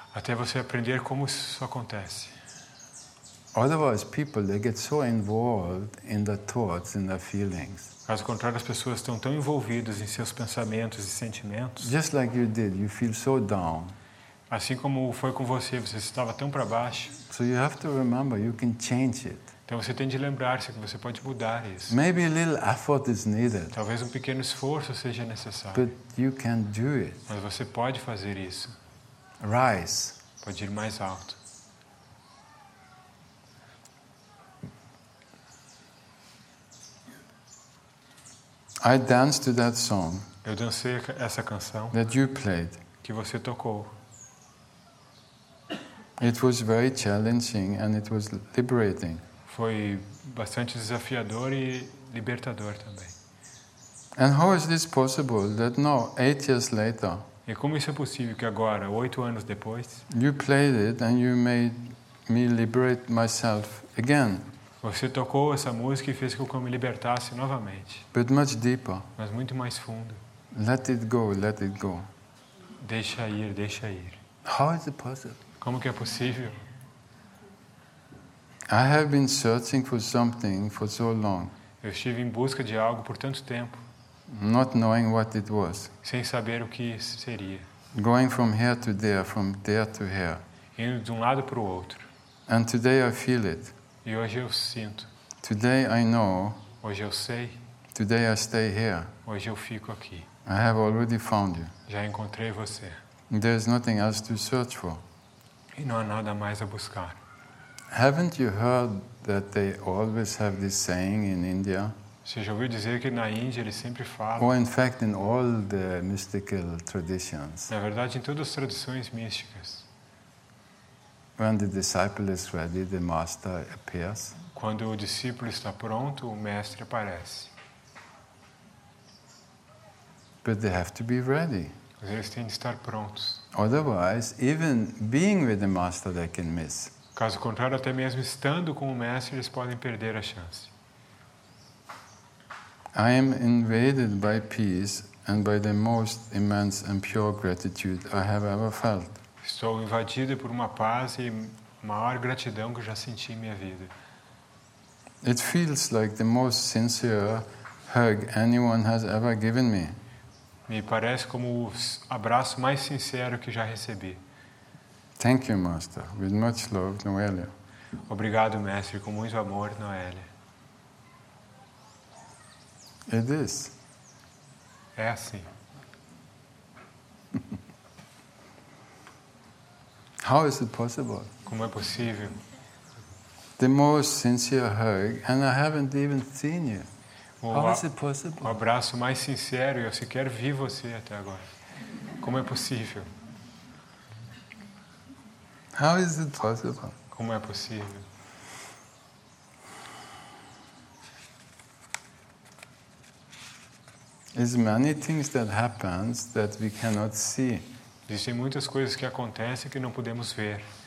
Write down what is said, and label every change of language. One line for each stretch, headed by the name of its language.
Portuguese: Até você aprender como isso acontece.
English: Otherwise, people they get so involved in their thoughts, in their feelings.
Portuguese: Caso contrário, as pessoas estão tão envolvidas em seus pensamentos e sentimentos.
English: Just like you did, you feel so down.
Portuguese: Assim como foi com você, você estava tão para baixo.
English: So you have to remember, you can change it.
Portuguese: Então você tem de lembrar-se que você pode mudar isso.
English: Maybe a little effort is needed.
Portuguese: Talvez um pequeno esforço seja necessário.
English: But you can do it.
Portuguese: Mas você pode fazer isso.
English: Rise.
Portuguese: Pode ir mais alto.
English: I danced to that song.
Portuguese: Eu dancei essa canção.
English: That you played.
Portuguese: Que você tocou.
English: It was very challenging and it was liberating.
Portuguese: Foi bastante desafiador e libertador também.
English: And how is this possible that now, 8 years later?
Portuguese: E como isso é possível que agora, 8 anos depois?
English: You played it and you made me liberate myself again.
Portuguese: Você tocou essa música e fez com que eu me libertasse novamente.
English: But much deeper.
Portuguese: Mas muito mais fundo.
English: Let it go, let it go.
Portuguese: Deixa ir, deixa ir.
English: How is it possible?
Portuguese: Como que é possível?
English: I have been searching for something for so long.
Portuguese: Eu estive em busca de algo por tanto tempo.
English: Not knowing what it was.
Portuguese: Sem saber o que seria.
English: Going from here to there, from there to here.
Portuguese: Indo de um lado para o outro.
English: And today I feel it.
Portuguese: E hoje eu sinto.
English: Today I know.
Portuguese: Hoje eu sei.
English: Today I stay here.
Portuguese: Hoje eu fico aqui.
English: I have already found you.
Portuguese: Já encontrei você.
English: There's nothing else to search for.
Portuguese: E não há nada mais a buscar.
English: Haven't you heard that they always have this saying in India?
Portuguese: Você já ouviu dizer que na Índia eles sempre falam?
English: Or in fact, in all the mystical traditions.
Portuguese: Na verdade, em todas as tradições místicas.
English: When the disciple is ready, the master appears.
Portuguese: Quando o discípulo está pronto, o mestre aparece.
English: But they have to be ready.
Portuguese: Mas eles têm de estar prontos.
English: Otherwise, even being with the master, they can miss.
Portuguese: Caso contrário, até mesmo estando com o mestre, eles podem perder a chance.
English: I am invaded by peace and by the most immense and pure gratitude I have ever felt.
Portuguese: Estou invadido por uma paz e maior gratidão que já senti em minha vida.
English: It feels like the most sincere hug anyone has ever given me.
Portuguese: Me parece como o abraço mais sincero que já recebi.
English: Thank you, Master. With much love, Noelia.
Portuguese: Obrigado, Mestre. Com muito amor, Noelia.
English: It is.
Portuguese: É assim.
English: How is it possible?
Portuguese: Como é possível?
English: The most sincere hug, and I haven't even seen you. How is it possible?
Portuguese: O abraço mais sincero e eu sequer vi você até agora. Como é possível?
English: How is it possible?
Portuguese: Como é possível?
English: There's many things that happens that we cannot see.
Portuguese: Existem muitas coisas que acontecem que não podemos ver.